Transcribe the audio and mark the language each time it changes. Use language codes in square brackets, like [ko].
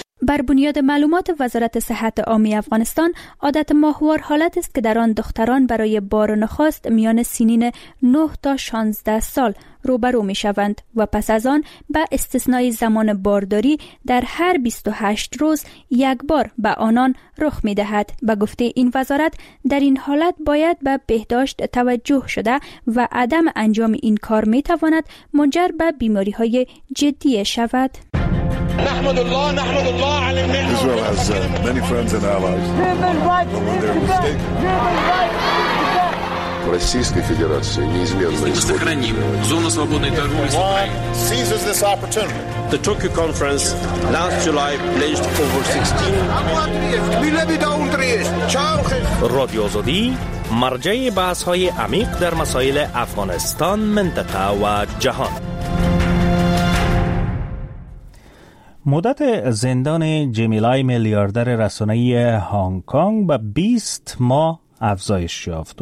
[fa] بر بنیاد معلومات وزارت صحت عامه افغانستان، عادت ماهوار حالت است که در آن دختران برای بار نخست میان سنین 9 تا 16 سال روبرو می شوند و پس از آن به استثنای زمان بارداری در هر 28 روز یک بار به آنان رخ می دهد. به گفته این وزارت، در این حالت باید به بهداشت توجه شده و عدم انجام این کار می تواند منجر به بیماری های جدی شود. [en] Israel has many friends and allies. Human rights defense! Human rights defense! [ru] Российской Федерации неизменно сохраним зону свободной торговли с Украиной. [en] Seizes this opportunity. The Tokyo Conference last July pledged over 16. [fa] Radio Azadi, مرجع بحث‌های عمیق در مسائل افغانستان، منطقه و جهان. مدت زندان جمیلای میلیاردر رسانه‌ای هانگ کانگ به 20 ماه افزایش یافت.